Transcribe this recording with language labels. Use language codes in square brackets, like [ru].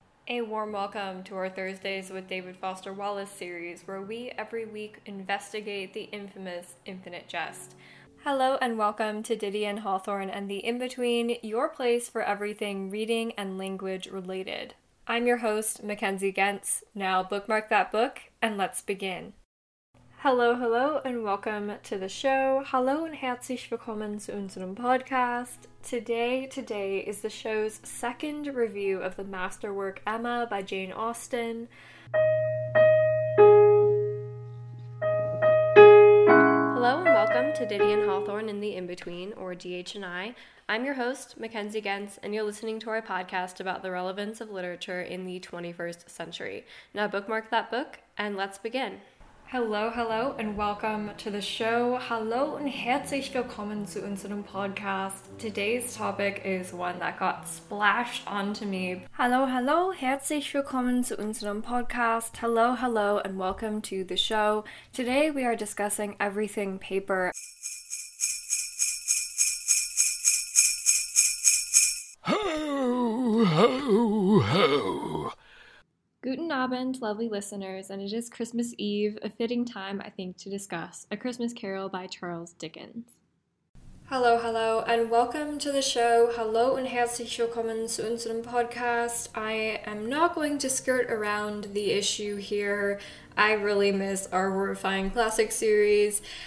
[en] Warm welcome to our Thursdays with David Foster Wallace series, where we every week investigate the infamous Infinite Jest. Hello and welcome to Diddy and Hawthorne and the In-Between, your place for everything reading and language related. I'm your host, Mackenzie Gentz. Now bookmark that book and let's begin. Hello, hello, and welcome to the show. [de] Hallo und herzlich willkommen zu unserem Podcast. [en] Today is the show's second review of the masterwork Emma by Jane Austen. Hello and welcome to Diddy and Hawthorne in the In-Between, or DH&I. I'm your host, Mackenzie Gentz, and you're listening to our podcast about the relevance of literature in the 21st century. Now bookmark that book and let's begin. Hello, hello, and welcome to the show. [de] Hallo und herzlich willkommen zu unserem Podcast. [en] Today's topic is one that got splashed onto me. [de] Hallo, hallo, herzlich willkommen zu unserem Podcast. [en] Hello, hello, and welcome to the show. Today we are discussing everything paper. Ho, ho, ho. [de] Guten Abend, [en] lovely listeners, and it is Christmas Eve, a fitting time, I think, to discuss A Christmas Carol by Charles Dickens. Hello, hello, and welcome to the show. [de] Hallo und herzlich willkommen zu unserem Podcast. [en] I am not going to skirt around the issue here. I really miss our horrifying classic series.